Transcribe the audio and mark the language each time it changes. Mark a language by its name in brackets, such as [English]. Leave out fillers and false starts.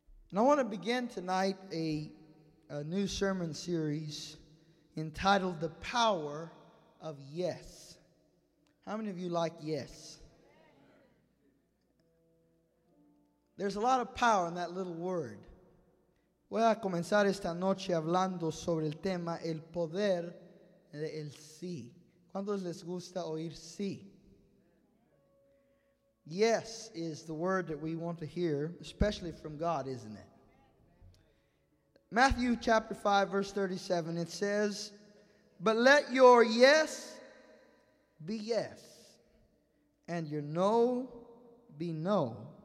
[English] And I want to begin tonight a new sermon series entitled The Power of Yes. How many of you like yes? There's a lot of power in that little word. [Spanish] Voy a comenzar esta noche hablando sobre el tema el poder del sí. ¿Cuántos les gusta oír sí? [English] Yes is the word that we want to hear, especially from God, isn't it? Matthew chapter 5, verse 37, it says, "But let your yes be yes, and your no be no.